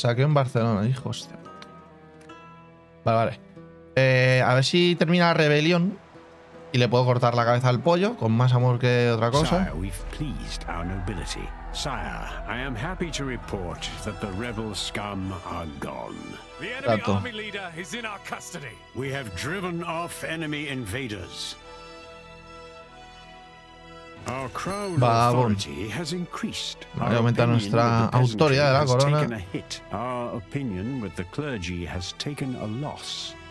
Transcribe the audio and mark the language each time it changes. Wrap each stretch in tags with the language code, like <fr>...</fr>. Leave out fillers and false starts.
<es>Saqueo en Barcelona, hijos. Vale, vale. A ver si termina la rebelión y le puedo cortar la cabeza al pollo con más amor que otra cosa.</es> <en>Sire, we've pleased our nobility. Sire, I am happy to report that the rebel scum are gone. The enemy army leader is in our custody. We have driven off enemy invaders. Our crown authority has increased.</en> <es>Vale, aumenta nuestra autoridad de la corona.</es> <en>Our opinion with the clergy has taken a loss.</en>